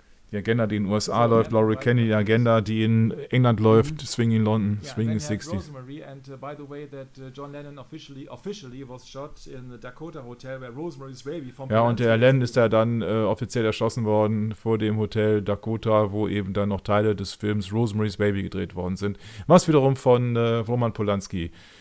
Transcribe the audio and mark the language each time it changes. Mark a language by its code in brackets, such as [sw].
[de] Die Agenda, die in den USA läuft, Laurie Kenny, die Agenda, die in England läuft, [en] Swing in London, Swing in 60s. And by the way, that John Lennon officially was shot in the Dakota Hotel, where Rosemary's Baby from. [de] Ja, und der Lennon ist da dann offiziell erschossen worden vor dem Hotel Dakota, wo eben dann noch Teile des Films Rosemary's Baby gedreht worden sind. Was wiederum von Roman Polanski.